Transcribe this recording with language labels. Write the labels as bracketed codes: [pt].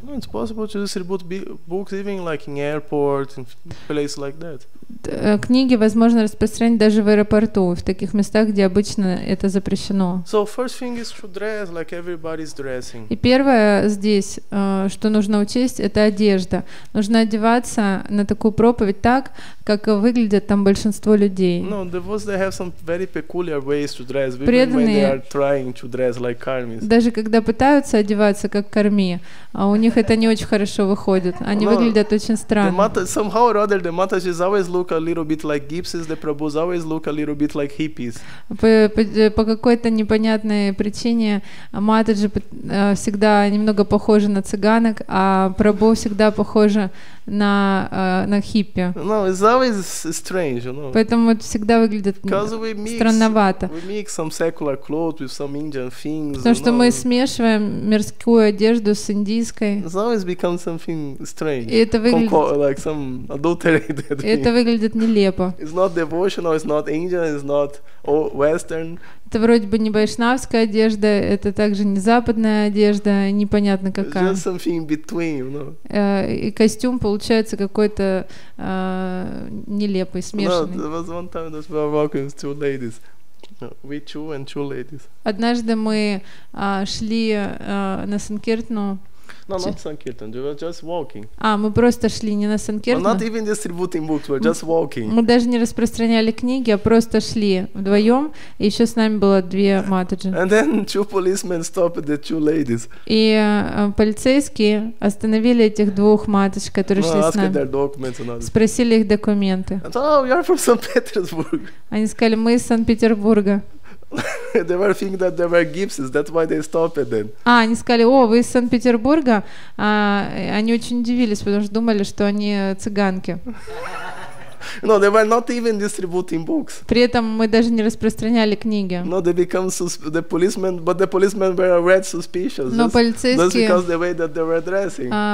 [en] It's possible to distribute books even like in airports, in places like that. [ru] книги возможно распространять даже в аэропорту, в таких местах, где обычно это запрещено. [en] So first thing is to dress like everybody's dressing. [ru] И первое здесь, что нужно учесть, это одежда. Нужно одеваться на такую проповедь так, как выглядят там большинство людей. [en] No, the devotees, they have some very peculiar ways to dress, even преданные, when they are trying to dress like karmis. [ru] Даже когда пытаются одеваться как карми, а у них это не очень хорошо выходит. Они выглядят очень странно. [en] Somehow or other, the Matajis always look a little bit like gypsies, the Prabhus always look a little bit like hippies. [ru] По какой-то непонятной причине Матаджи всегда немного похожи на цыганок, а Прабху всегда похожи на хиппи. [en] No, it's always strange, you know. [ru] Поэтому вот всегда выглядит странновато. [en] We mix some secular clothes with some Indian things. [ru] Потому что мы смешиваем мирскую одежду с индийской. [en] It's always become something strange. [ru] И это выглядит [en] like some adulterated thing. [ru] Это выглядит нелепо. [en] It's not devotional, it's not Indian, it's not Western. [ru] Это вроде бы не байшнавская одежда, это также не западная одежда, непонятно какая. [en] Just something between, you know. [ru] И костюм получается какой-то нелепый, смешанный. [en] No, there was one time that we were walking with two ladies. We two and two ladies. [ru] Однажды мы шли на Санкиртну. [en] No, not Sankirtan, we were just walking. [ru] А, мы просто шли не на Санкиртну. [en] Not even distributing books, we were just walking. [ru] Мы даже не распространяли книги, а просто шли вдвоем, и еще с нами было две матаджи. [en] And then two policemen stopped the two ladies. [ru] И полицейские остановили этих двух матадж, которые шли с нами. [en] Asked their documents and others. [ru] Спросили их документы. [en] And said, oh, you are from St. Petersburg. [ru] Они сказали, мы из Санкт-Петербурга. [en] They were thinking that they were gypsies, that's why they stopped then. [ru] А, они сказали, о, вы из Санкт-Петербурга? Они очень удивились, потому что думали, что они цыганки. [en] No, they were not even distributing books. [ru] При этом мы даже не распространяли книги. [en] No, they become the policemen, but the policemen were red suspicious. [ru] Но полицейские. [en] That's because the way that they were dressing.